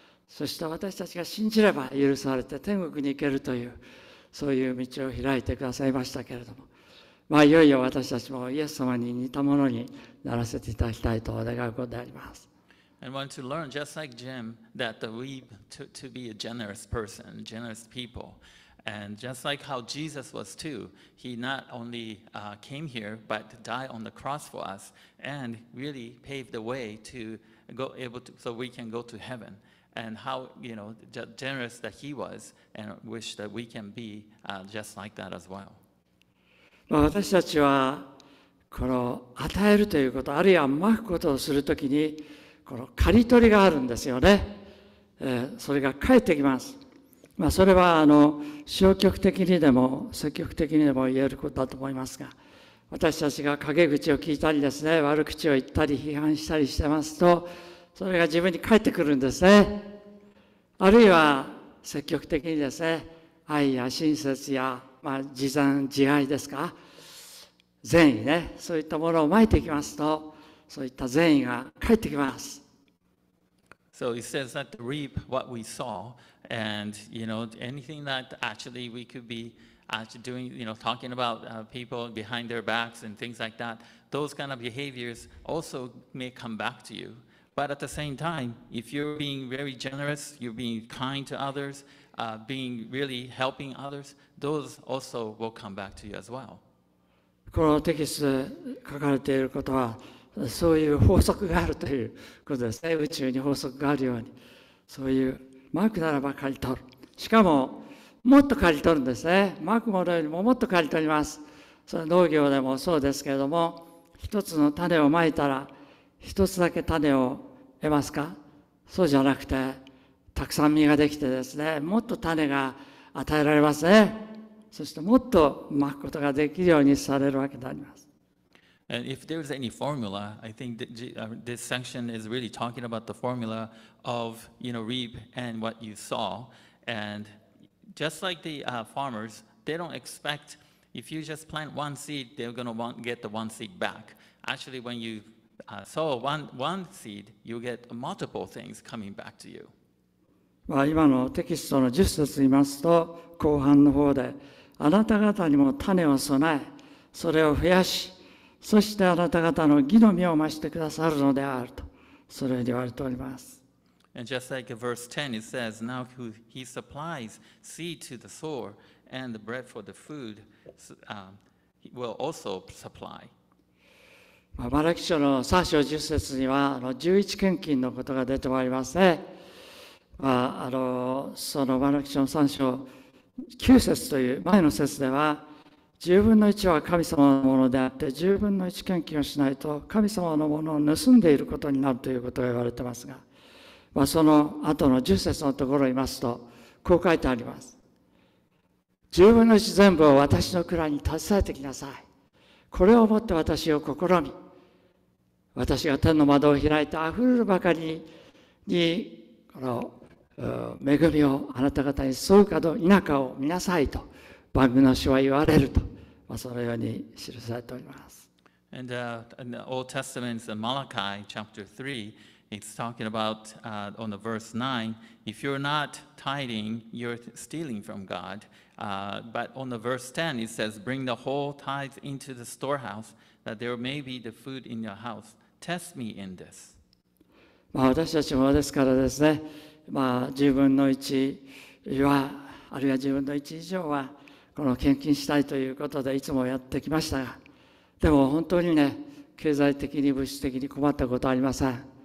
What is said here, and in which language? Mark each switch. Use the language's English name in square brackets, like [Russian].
[Japanese] そして私たちが信じれば許されて天国に行けるというそういう道を開いてくださいましたけれども、まあ、いよいよ私たちもイエス様に似たものにならせていただきたいとお願いことであります。 [English] I want to learn just like Jim that we to be a generous person, generous people. And just like how Jesus was too, he not only came here but died on the cross for us and really paved the way to go able to, so we can go to heaven. And how, you know, generous that he was and wish that we can be just like that as well. [Japanese] 私たちはこの与えるということあるいはまくことをするときにこの刈り取りがあるんですよね。それが返ってきます。まあ、それはあの消極的にでも積極的にでも言えることだと思いますが、私たちが陰口を聞いたりですね、悪口を言ったり批判したりしてますと、それが自分に返ってくるんですね。あるいは積極的にですね、愛や親切や、まあ、慈善慈愛ですか、善意ね、そういったものをまいていきますと、そういった善意が返ってきます。 [English] So it says that to reap what we sow, and you know, anything that actually we could be actually doing, you know, talking about people behind their backs and things like that, those kind of behaviors also may come back to you. But at the same time, if you're being very generous, you're being kind to others, being really helping others, those also will come back to you as well. [Japanese] このテキストで書かれていることは、そういう法則があるということですね。宇宙に法則があるように、そういうまくならば刈り取る、しかももっと刈り取るんですね。まくものよりももっと刈り取ります。それ農業でもそうですけれども、一つの種をまいたら一つだけ種を得ますか、そうじゃなくてたくさん実ができてですね、もっと種が与えられますね。そしてもっとまくことができるようにされるわけであります。 [English] And if there's any formula, I think this section is really talking about the formula of, you know, reap and what you sow. And just like the farmers, they don't expect, if you just plant one seed, they're going to get the one seed back. Actually, when you sow one seed, you get multiple things coming back to you. [Japanese] Well, 今のテキストの10節を見ますと、後半の方で、あなた方にも種を備え、それを増やし、そしてあなた方の義の実を増してくださるのであると、それに言われております。 [English] And just like verse 10 it says, now he supplies seed to the sower and the bread for the food, he will also supply. [Japanese] マラキ書の3章10節には11献金のことが出てまいりますね。まあ、そのマラキ書の3章9節という前の節では、十分の一は神様のものであって、十分の一献金をしないと神様のものを盗んでいることになるということが言われていますが、まあ、その後の十節のところを言いますと、こう書いてあります。十分の一全部を私の蔵に携えてきなさい。これをもって私を試み、私が天の窓を開いてあふれるばかりに、この恵みをあなた方に沿うかどうかを見なさいと番組の主は言われると、まあ、そのように記されております。 [English] And in the Old Testament's Malachi chapter 3, it's talking about on the verse 9, if you're not tithing, you're stealing from God. But on the verse 10, it says, bring the whole tithe into the storehouse, that there may be the food in your house. Test me in this. [Japanese] まあ私たちもですからですね、まあ十分の一は、あるいは十分の一以上は、この献金したいということでいつもやってきましたが、でも本当にね、経済的に物質的に困ったことはありません。